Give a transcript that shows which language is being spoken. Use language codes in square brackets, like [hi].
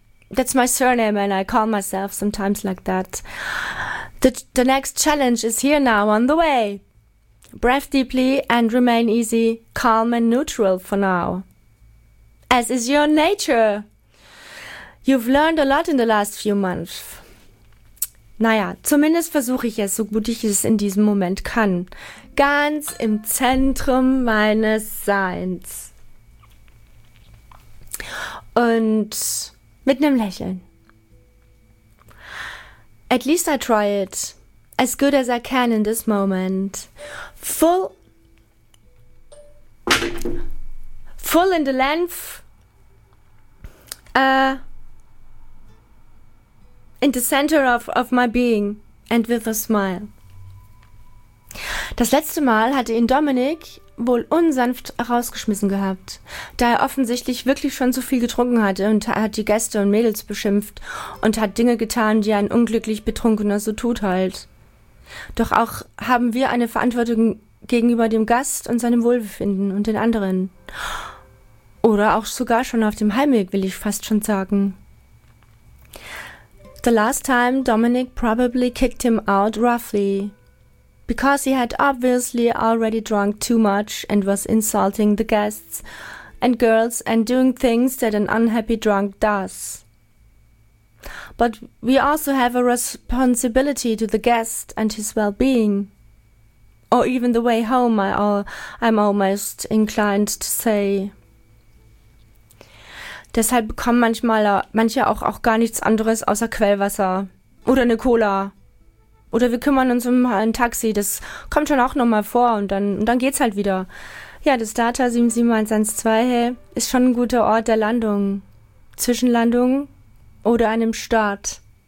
[en] That's my surname and I call myself sometimes like that. The next challenge is here now on the way. Breathe deeply and remain easy, calm and neutral for now. As is your nature. You've learned a lot in the last few months. [de] Naja, zumindest versuche ich es, so gut ich es in diesem Moment kann. Ganz im Zentrum meines Seins. Und mit einem Lächeln. [en] At least I try it. As good as I can in this moment. Full in the length. in the center of my being and with a smile. [de] Das letzte Mal hatte ihn Dominik wohl unsanft rausgeschmissen gehabt, da er offensichtlich wirklich schon zu viel getrunken hatte und hat die Gäste und Mädels beschimpft und hat Dinge getan, die ein unglücklich Betrunkener so tut halt. Doch auch haben wir eine Verantwortung gegenüber dem Gast und seinem Wohlbefinden und den anderen. Oder auch sogar schon auf dem Heimweg, will ich fast schon sagen. [en] The last time Dominic probably kicked him out roughly. Because he had obviously already drunk too much and was insulting the guests and girls and doing things that an unhappy drunk does. But we also have a responsibility to the guest and his well-being. Or even the way home, I'm almost inclined to say. [de] Deshalb bekommen manche auch gar nichts anderes außer Quellwasser oder eine Cola. Oder wir kümmern uns um ein Taxi, das kommt schon auch nochmal vor und dann geht's halt wieder. Ja, das Data 77112 ist schon ein guter Ort der Landung, Zwischenlandung oder einem Start.